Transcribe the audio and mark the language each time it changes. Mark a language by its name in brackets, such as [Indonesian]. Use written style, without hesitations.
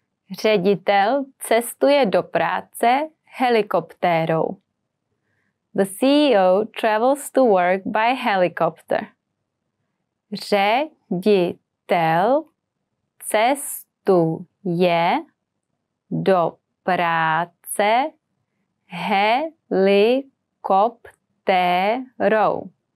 [Czech] Ředitel cestuje do práce helikoptérou. [English] The CEO travels to work by helicopter. [Czech] Ředitel cestuje do práce helikopterou.